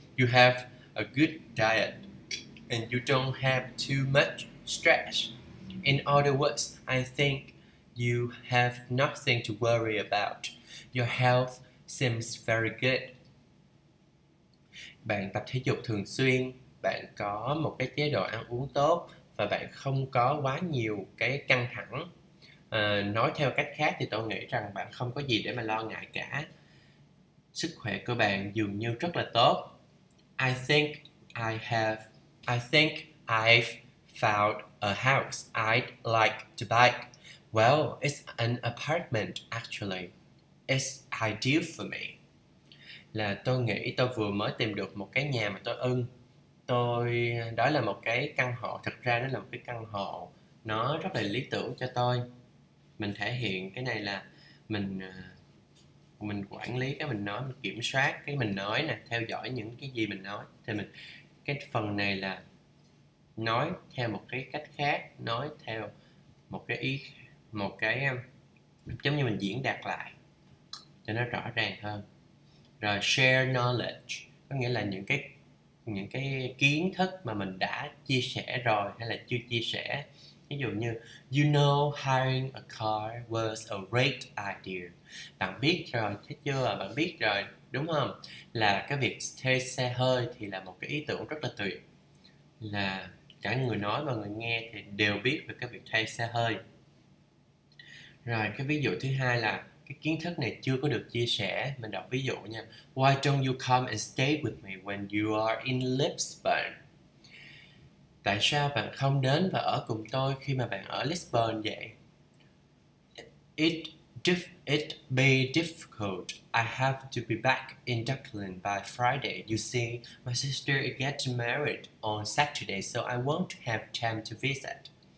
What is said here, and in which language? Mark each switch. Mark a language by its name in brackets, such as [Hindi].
[English] You have a good diet and you don't have too much stress. In other words, I think you have nothing to worry about. Your health seems very good. [Vietnamese] Bạn tập thể dục thường xuyên, bạn có một cái chế độ ăn uống tốt và bạn không có quá nhiều cái căng thẳng. Nói theo cách khác thì tôi nghĩ rằng bạn không có gì để mà lo ngại cả. Sức khỏe của bạn dường như rất là tốt. [English] I think I've found a house I'd like to buy. Well, it's an apartment actually. It's ideal for me. [Vietnamese] Là tôi nghĩ tôi vừa mới tìm được một cái nhà mà tôi ưng. Tôi đó là một cái căn hộ, thật ra nó là một cái căn hộ nó rất là lý tưởng cho tôi. Mình thể hiện cái này là mình quản lý cái mình nói, mình kiểm soát cái mình nói nè, theo dõi những cái gì mình nói, thì mình cái phần này là nói theo một cái cách khác, nói theo một cái ý, một cái giống như mình diễn đạt lại cho nó rõ ràng hơn. Rồi share knowledge có nghĩa là những cái kiến thức mà mình đã chia sẻ rồi hay là chưa chia sẻ. Ví dụ như [English] you know hiring a car was a great idea. [Vietnamese] Bạn biết rồi, thấy chưa? Bạn biết rồi, đúng không? Là cái việc thuê xe hơi thì là một cái ý tưởng rất là tuyệt. Là cả người nói và người nghe thì đều biết về cái việc thuê xe hơi. Rồi, cái ví dụ thứ hai là cái kiến thức này chưa có được chia sẻ. Mình đọc ví dụ nha. [English] Why don't you come and stay with me when you are in Lisbon? [Vietnamese] Tại sao bạn không đến và ở cùng tôi khi mà bạn ở Lisbon vậy? [English] It be difficult. I have to be back in Dublin by Friday. You see, my sister gets married on Saturday, so I won't have time to visit.